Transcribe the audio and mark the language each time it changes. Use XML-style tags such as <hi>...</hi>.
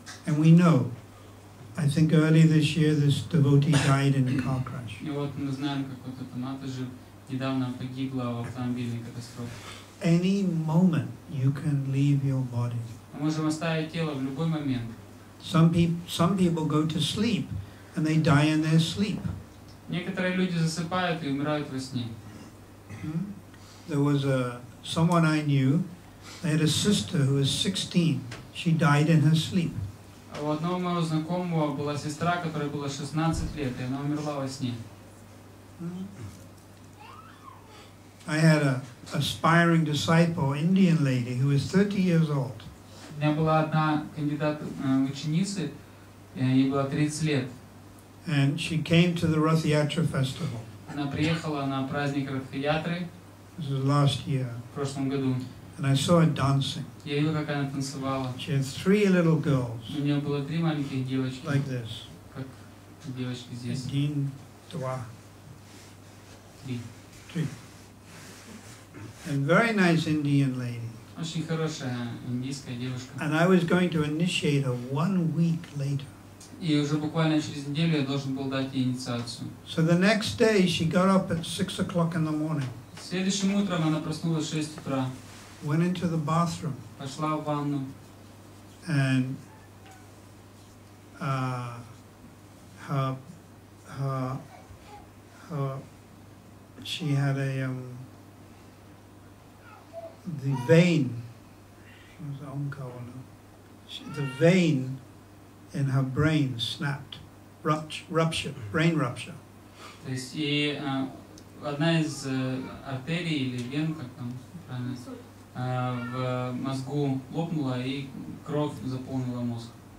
<en>And we know, I think early this year this devotee died in a car crash.</en> <ru>И вот мы знаем, как вот эта мата же недавно погибла в автомобильной катастрофе.</ru> <en>Any moment you can leave your body.</en> <ru>Мы можем оставить тело в любой момент.</ru> <en>Some people go to sleep and they die in their sleep.</en> <ru>Некоторые люди засыпают и умирают во сне.</ru> <en>There was someone I knew. They had a sister who was 16. She died in her sleep.</en> <ru>У одного моего знакомого была сестра, которой было 16 лет, и она умерла во сне.</ru> <en>I had an aspiring disciple, Indian lady, who was 30 years old.</en> <ru>У меня была одна кандидат ученицы, ей было 30 лет.</ru> <en>And she came to the Ratha-yatra festival.</en> <ru>Она приехала на праздник Ратха-ятры.</ru> <en>This was last year.</en> <ru>В прошлом году.</ru> <en>And I saw her dancing.</en> <ru>Я видел, как она танцевала.</ru> <en>She had three little girls.</en> <ru>У нее было три маленьких девочки.</ru> <en>Like this.</en> <ru>Как девочки здесь. Один, два. Три. Три.</ru> <en>And very nice Indian lady.</en> <ru>Очень хорошая индийская девушка.</ru> <en>And I was going to initiate her 1 week later.</en> <ru>И уже буквально через неделю я должен был дать ей инициацию.</ru> <en>So the next day she got up at 6 o'clock in the morning.</en> <ru>Следующим утром она проснулась в 6 утра.</ru> <en>Went into the bathroom.</en> <ru>Пошла в ванну.</ru> <en>And the vein in her brain snapped, rupture, brain rupture.</en> <ru>То есть и одна из артерий или вен, как там правильно, в мозгу лопнула и кровь заполнила мозг.</ru>